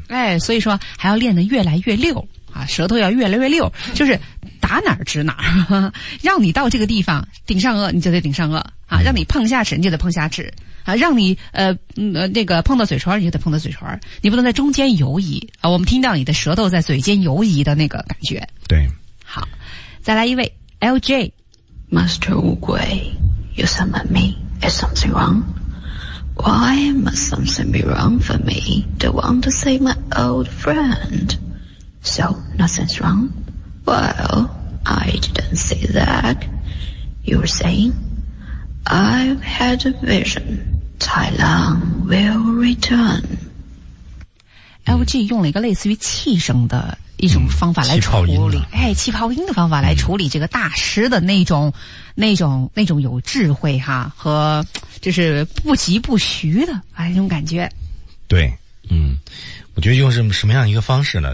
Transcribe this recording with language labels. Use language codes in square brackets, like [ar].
[zh] 哎，所以说还要练得越来越溜啊，舌头要越来越溜，就是打哪儿指哪儿，让你到这个地方顶上颚，你就得顶上颚啊，让你碰下齿，你就得碰下齿啊，让你碰到嘴唇，你就得碰到嘴唇，你不能在中间游移啊，我们听到你的舌头在嘴间游移的那个感觉。对，好，再来一位，LJ [en] Master 乌龟 You summon me Is something wrong? Why must something be wrong for me To want to see my old friend? So nothing's wrong? Well, I didn't see that You were saying I've had a vision Tai Lang will return [zh] LG 用了一个类似于气声的一种方法来处理，气泡音的方法来处理这个大师的那种有智慧哈，和就是不疾不徐的哎那种感觉。对，我觉得用什么样一个方式呢？